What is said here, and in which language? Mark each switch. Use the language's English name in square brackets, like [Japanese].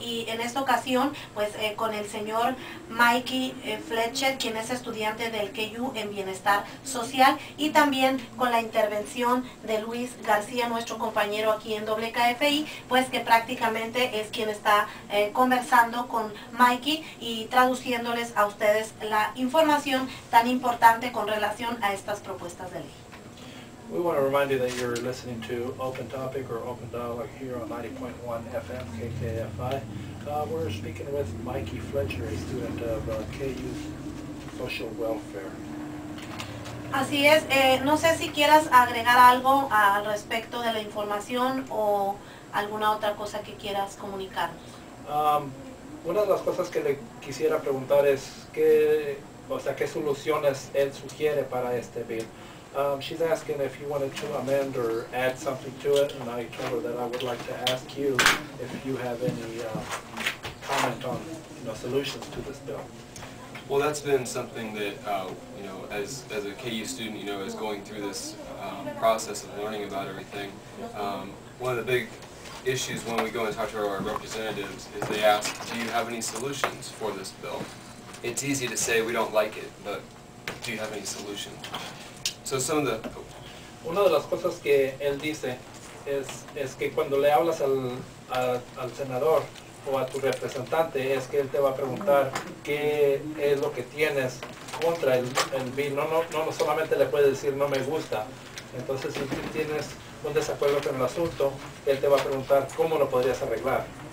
[Spanish] Y en esta ocasión, pues con el señor Mikey Fletcher, quien es estudiante del KU en Bienestar Social, y también con la intervención de Luis García, nuestro compañero aquí en WKFI, pues que prácticamente es quien está conversando con Mikey y traduciéndoles a ustedes la información tan importante con relación a estas propuestas de ley. [English] We want to remind you that you're listening to Open Topic or Open Dialogue here on 90.1 FM KKFI. We're speaking with Mikey Fletcher, a student of KU Social Welfare. [Spanish] Así es. No sé si quieras agregar algo al respecto de la información o alguna otra cosa que quieras comunicarnos. Una de las cosas que le quisiera preguntar es qué, o sea, qué soluciones él sugiere para este bill. [English] She's asking if you wanted to amend or add something to it, and I told her that I would like to ask you if you have any comment on, you know, solutions to this bill. Well, that's been something that, you know, as a KU student, you know, as going through this process of learning about everything, one of the big issues when we go and talk to our representatives is they ask, do you have any solutions for this bill? It's easy to say we don't like it, but do you have any solutions? So some of the... [Spanish] Una de las cosas que él dice es que cuando le hablas al senador o a tu representante, es que él te va a preguntar qué es lo que tienes contra el bill. No solamente le puede decir no me gusta. Entonces, si tú tienes un desacuerdo con el asunto, él te va a preguntar cómo lo podrías arreglar.